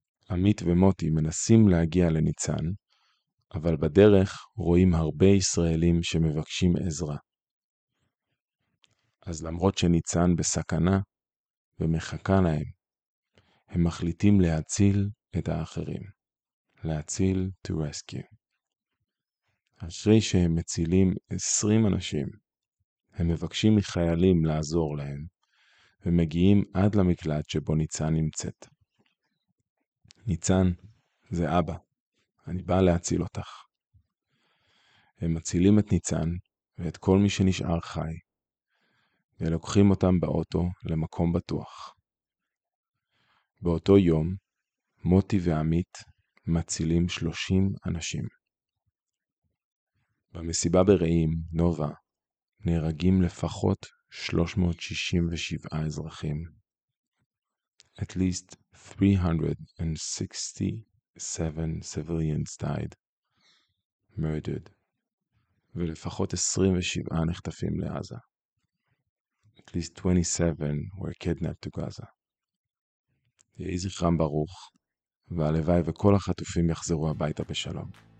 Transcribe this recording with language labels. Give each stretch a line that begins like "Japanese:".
Hebrew: עמית ומוטי מנסים להגיע לניצן, אבל בדרך רואים הרבה ישראלים שמבקשים עזרה. אז למרות שניצן בסכנה ומחכה להם, הם מחליטים להציל את האחרים.
English: להציל, to rescue.
Hebrew: אחרי שהם מצילים 20 אנשים, הם מבקשים מחיילים לעזור להם, ומגיעים עד למקלט שבו ניצן נמצאת. ניצן, זה אבא. אני בא להציל אותך. הם מצילים את ניצן ואת כל מי שנשאר חי, ולוקחים אותם באוטו למקום בטוח. באותו יום, מוטי ועמית מצילים 30 אנשים. במסיבה ברעים, נובה, נהרגים לפחות 367 אזרחים.
English: At least 367 civilians died, murdered,
Hebrew: ולפחות 27 נחטפים לעזה.
English: At least 27 were kidnapped to Gaza.
Hebrew: יהי זכרם ברוך, והלוואי וכל החטופים יחזרו הביתה בשלום.